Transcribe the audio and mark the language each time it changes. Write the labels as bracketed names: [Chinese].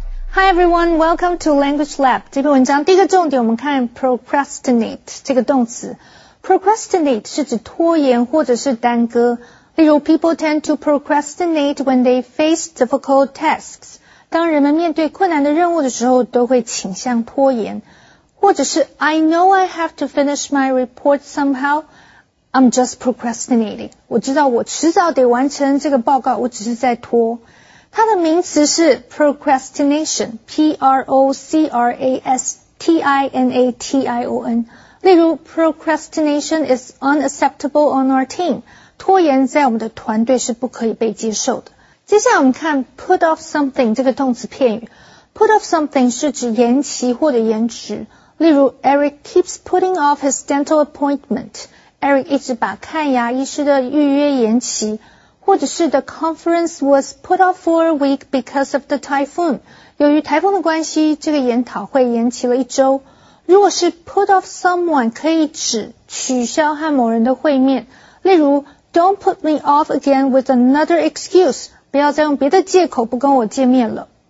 [English] Hi everyone, welcome to Language Lab. [Chinese] 这篇文章第一个重点我们看 procrastinate 这个动词。 Procrastinate 是指拖延或者是耽搁。例如 [English] people tend to procrastinate when they face difficult tasks. [Chinese] 当人们面对困难的任务的时候都会倾向拖延。或者是 [English] I know I have to finish my report somehow. I'm just procrastinating. [Chinese] 我知道我迟早得完成这个报告，我只是在拖。它的名词是 procrastination, P-R-O-C-R-A-S-T-I-N-A-T-I-O-N. 例如 [English] procrastination is unacceptable on our team. [Chinese] 拖延在我们的团队是不可以被接受的。接下来我们看 put off something 这个动词片语。put off something 是指延期或者延迟。例如 [English] Eric keeps putting off his dental appointment. [Chinese] Eric 一直把看牙医师的预约延期。或者是 [English] the conference was put off for a week because of the typhoon. [Chinese] 由于台风的关系，这个研讨会延期了一周。如果是 put off someone 可以指取消和某人的会面。例如 [English] don't put me off again with another excuse. [Chinese] 不要再用别的借口不跟我见面了。